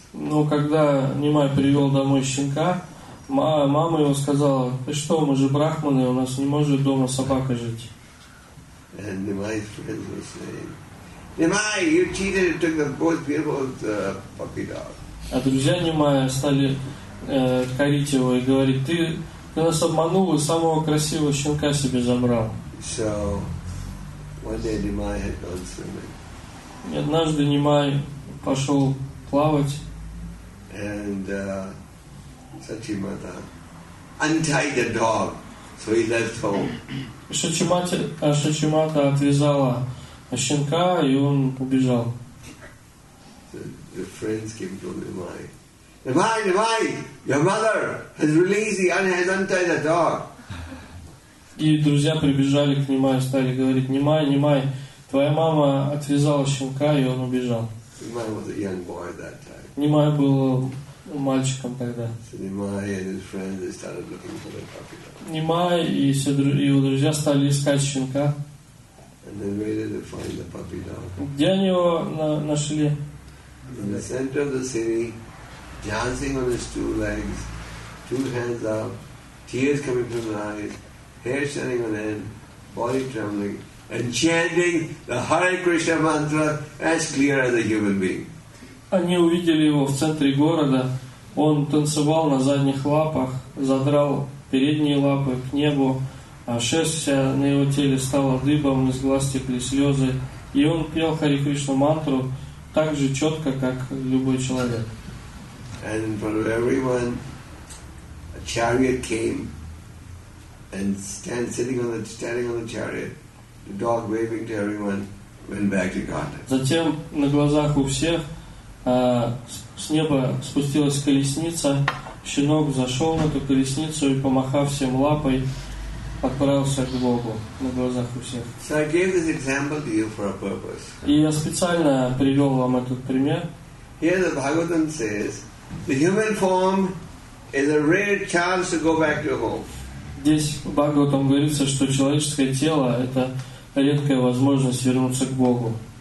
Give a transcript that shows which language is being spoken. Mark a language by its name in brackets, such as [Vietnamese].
[Russian] Но когда Нимай привел домой щенка, мама его сказала: "Ты что, мы же брахманы, у нас не может дома собака жить." [English] And Nimai's friends were saying, "Nimai, you cheated and took the most beautiful puppy dog." [Russian] А друзья Нимая стали корить его и говорить: "Ты нас обманул и самого красивого щенка себе забрал." [English] So one day Nimai had gone swimming. [Russian] И однажды Нимай пошел плавать. [English] And Сачимата untied the dog, so he left home. [Russian] Сачимата отвязала щенка, и он убежал. [English] The friends came to Nimai. Nimai, your mother has released the and has untied the dog. [Russian] И друзья прибежали к Нимаю, стали говорить: Нимай, твоя мама отвязала щенка, и он убежал. [English] Nimai was a young boy at that time. [Russian] Нимай был мальчиком тогда. [English] So Nimai and his friends, they started looking for the puppy dog. [Russian] Нимай и все его друзья стали искать щенка. [English] And they waited to find the puppy dog. [Russian] Где они его нашли? [English] In the center of the city, dancing on his two legs, two hands up, tears coming from his eyes, hair standing on end, body trembling, and chanting the Hare Krishna mantra as clear as a human being. [Russian] Они увидели его в центре города. Он танцевал на задних лапах, задрал передние лапы к небу, а шерсть вся на его теле стала дыбом, из глаз текли слезы, и он пел Хари Кришну мантру так же четко, как любой человек. [English] And in front of everyone, a chariot came. And sitting on the chariot, the dog waving to everyone, went back to God. [Russian] Затем на глазах у всех с неба спустилась колесница. Щенок зашел на эту колесницу и, помахав всем лапой, отправился к Богу на глазах у всех. [English] So I gave this example to you for a purpose. [Russian] И я специально привел вам этот пример. [English] Here the Bhagavatam says, the human form is a rare chance to go back to home. [Russian] Здесь Бхагаватам говорится, что человеческое тело — это редкая возможность вернуться к Богу.